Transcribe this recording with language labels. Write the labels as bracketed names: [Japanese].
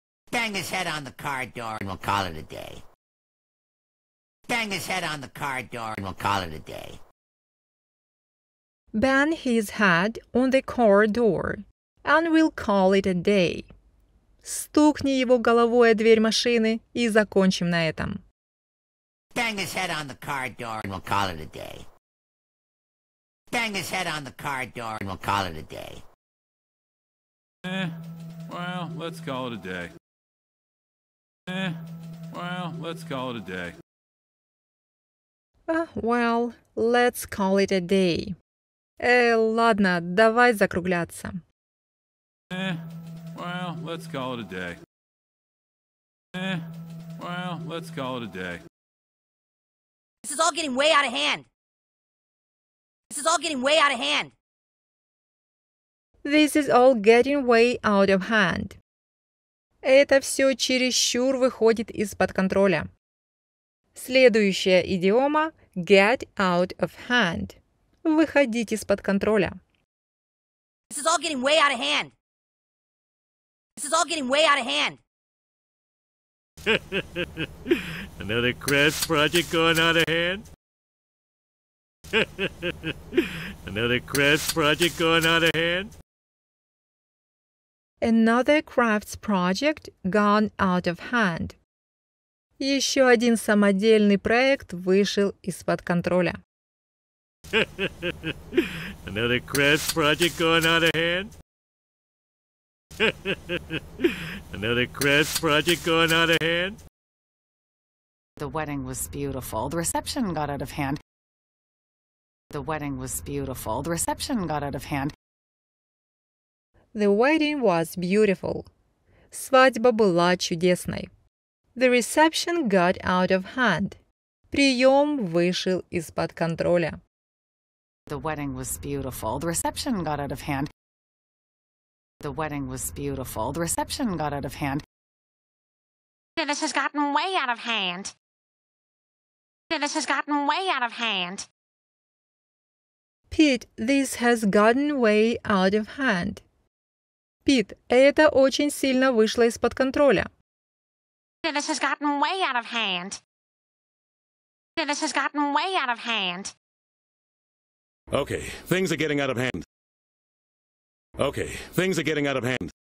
[English] Bang his head on the car door and we'll call it a day. Bang his head on the car door and we'll call it a day. Bang his head on the car door and we'll call it a day. [Russian] Стукни его головой о дверь машины и закончим на этом. [English] Bang his head on the car door and we'll call it a day. Bang his head on the car door and we'll call it a day. Well, let's call it a day. Well, let's call it a day. Well, let's call it a day. [Russian] Ладно, давай закругляться. [English] Well, let's call it a day. Well, let's call it a day. This is all getting way out of hand. This is all getting way out of hand. This is all getting way out of hand. [Russian] Это все чересчур выходит из-под контроля. Следующая идиома – [English] get out of hand. [Russian] Выходить из-под контроля. [English] This is all getting way out of hand. This is all getting way out of hand. Another craft project going out of hand. Another craft project going out of hand. Another crafts project gone out of hand. [Russian] Еще один самодельный проект вышел из-под контроля. [English] Another crafts project gone out of hand. Another crafts project gone out of hand. The wedding was beautiful. The reception got out of hand. The wedding was beautiful. The reception got out of hand. The wedding was beautiful. [Russian] Свадьба была чудесной. [English] The reception got out of hand. [Russian] Прием вышел из-под контроля. [English] The wedding was beautiful. The reception got out of hand. The wedding was beautiful. The reception got out of hand. This has gotten way out of hand. This has gotten way out of hand. Pete, this has gotten way out of hand. [Russian] Пит, это очень сильно вышло из-под контроля. [English] This has gotten way out of hand. This has gotten way out of hand. Okay, things are getting out of hand. Okay, things are getting out of hand.